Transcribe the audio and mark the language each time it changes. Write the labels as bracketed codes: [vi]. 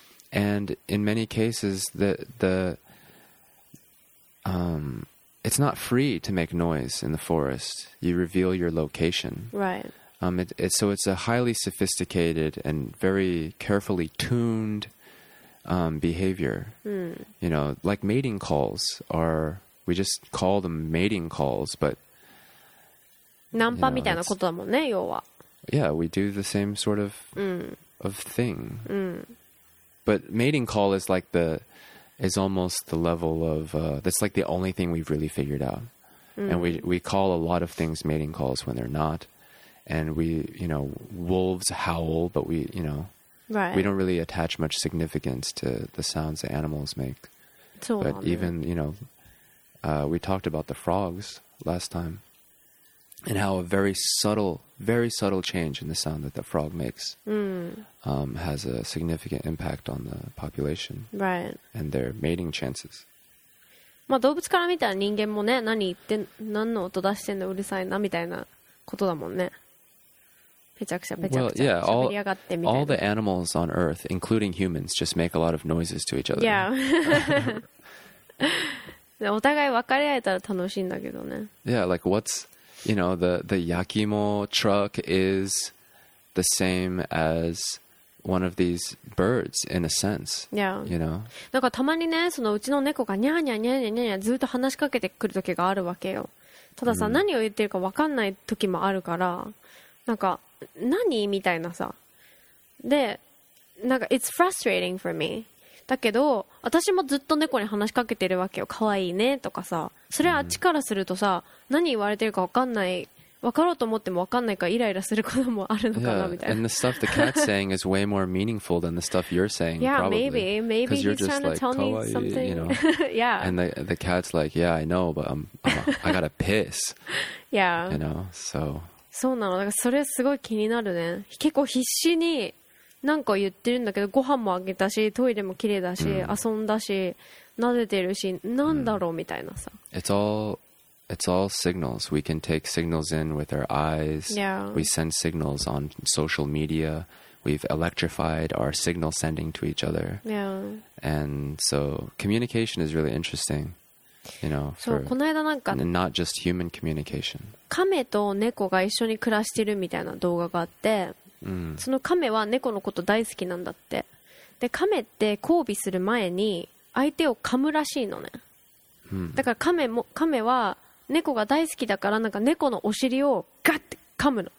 [en] And in many cases, it's not free to make noise in the forest. You reveal your location. Right. So it's a highly sophisticated and very carefully tuned behavior. You know, like mating calls are, we just call them mating calls, but [ja] ナンパみたいなことだもんね、要は。 [en] Yeah, we do the same sort of thing. But mating call is like is almost the level of, that's like the only thing we've really figured out. And we call a lot of things mating calls when they're not. And we, you know, wolves howl, but we, you know, we don't really attach much significance to the sounds that animals make. [ja] そうだね。 [en] But even, you know, we talked about the frogs last time. And how a very subtle change in the sound that the frog makes has a significant impact on the population. Right. And their mating chances. [ja] まあ動物から見たら人間もね、何言って、何の音出してんのうるさいなみたいなことだもんね。ペチャクチャ、ペチャクチャ、喋りやがってみたいな。 [en] All the animals on Earth, including humans, just make a lot of noises to each other. Yeah. [ja] お互い分かり合えたら楽しいんだけどね。 [en] Yeah, like what's... You know, the Yakimo truck is the same as one of these birds in a sense. Yeah. You know? [ja] なんかたまにね、そのうちの猫がニャーニャーニャーニャーニャーニャーずっと話しかけてくる時があるわけよ。たださ、mm. 何を言ってるか分かんない時もあるから、なんか何みたいなさ。で、なんか [en] it's frustrating for me。 [ja] だけど私もずっと猫に話しかけてるわけよ。可愛いねとかさ。それはあっちからするとさ、mm. 何言われてるか分かんない。分かろうと思っても分かんないからイライラすることもあるのかな、 [en] yeah. [ja] みたいな。 [en] And the stuff the cat's saying is way more meaningful than the stuff you're saying. Yeah, probably. Maybe. Maybe he's trying to tell me something. You know? Yeah. And the cat's like, yeah, I know, but I gotta piss. Yeah. You know? So. [ja] そうなの。だからそれすごい気になるね。結構必死に何か言ってるんだけど、ご飯もあげたし、トイレも綺麗だし、mm. 遊んだし、撫でてるし、なんだろう、mm. みたいなさ。 [en] It's all signals. We can take signals in with our eyes. Yeah. We send signals on social media. We've electrified our signal sending to each other. Yeah. And so communication is really interesting, you know. [ja] そう、この間なんか、 [en] and not just human communication. [ja] カメと猫が一緒に暮らしてるみたいな動画があって、 mm. そのカメは猫のこと大好きなんだって。で、カメって交尾する前に相手を噛むらしいのね。だからカメは猫が大好きだからなんか猫のお尻をガッて噛むの。